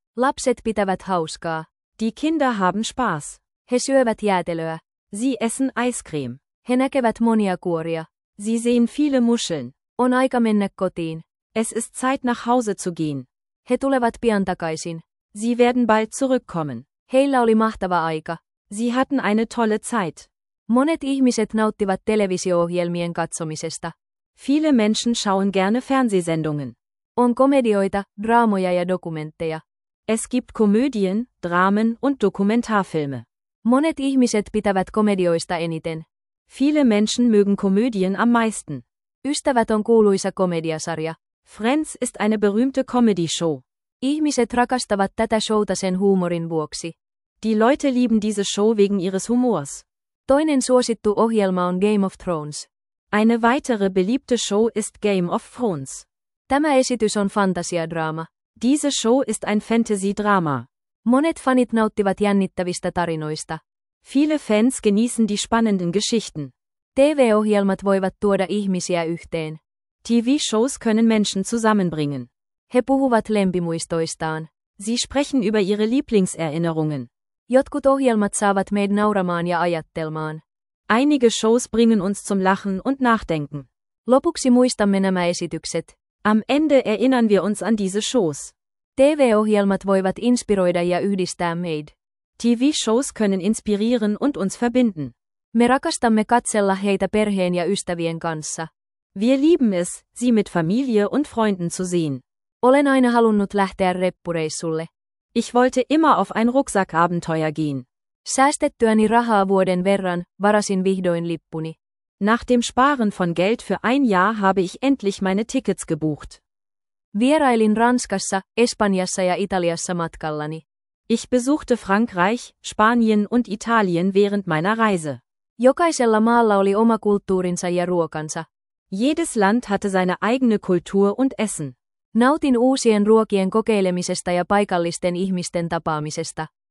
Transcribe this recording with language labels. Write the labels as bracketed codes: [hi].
[fi] Lapset pitävät hauskaa. [de] Die Kinder haben Spaß. [fi] He syövät jäätelöä. [de] Sie essen Eiscreme. [fi] He näkevät monia kuoria. [de] Sie sehen viele Muscheln. [fi] On aika mennä kotiin. [de] Es ist Zeit nach Hause zu gehen. [fi] He tulevat pian takaisin. [de] Sie werden bald zurückkommen. [fi] Heillä oli mahtava aika. [de] Sie hatten eine tolle Zeit. [fi] Monet ihmiset nauttivat televisio-ohjelmien katsomisesta. [de] Viele Menschen schauen gerne Fernsehsendungen. [fi] On komedioita, draamoja ja dokumentteja. [de] Es gibt Komödien, Dramen und Dokumentarfilme. [fi] Monet ihmiset pitävät komedioista eniten. [de] Viele Menschen mögen Komödien am meisten. [fi] Ystävät on kuuluisa komediasarja. [de] Friends ist eine berühmte Comedy Show. [fi] Ihmiset rakastavat tätä showta sen huumorin vuoksi. [de] Die Leute lieben diese Show wegen ihres Humors. [fi] Toinen suosittu ohjelma on Game of Thrones. [de] Eine weitere beliebte Show ist Game of Thrones. [fi] Tämä esitys on fantasiadraama. [de] Diese Show ist ein Fantasy-Drama. [fi] Monet fanit nauttivat jännittävistä tarinoista. [de] Viele Fans genießen die spannenden Geschichten. [fi] TV-ohjelmat voivat tuoda ihmisiä yhteen. [de] TV-Shows können Menschen zusammenbringen. [fi] He puhuvat lempimuistoistaan. [de] Sie sprechen über ihre Lieblingserinnerungen. [fi] Jotkut ohjelmat saavat meid nauramaan ja ajattelmaan. [de] Einige Shows bringen uns zum Lachen und Nachdenken. [fi] Lopuksi muistamme nämä esitykset. [de] Am Ende erinnern wir uns an diese Shows. [fi] TV-ohjelmat voivat inspiroida ja yhdistää meid. [de] TV-Shows können inspirieren und uns verbinden. [fi] Me rakastamme katsella heitä perheen ja ystävien kanssa. [de] Wir lieben es, sie mit Familie und Freunden zu sehen. [fi] Olen aina halunnut lähteä reppureissulle. [de] Ich wollte immer auf ein Rucksackabenteuer gehen. [fi] Säästettyäni rahaa vuoden verran, varasin vihdoin lippuni. [de] Nach dem Sparen von Geld für ein Jahr habe ich endlich meine Tickets gebucht. [fi] Vierailin Ranskassa, Espanjassa ja Italiassa matkallani. [de] Ich besuchte Frankreich, Spanien und Italien während meiner Reise. [fi] Jokaisella maalla oli oma kulttuurinsa ja ruokansa. [de] Jedes Land hatte seine eigene Kultur und Essen. [fi] Nautin uusien ruokien kokeilemisesta ja paikallisten ihmisten tapaamisesta.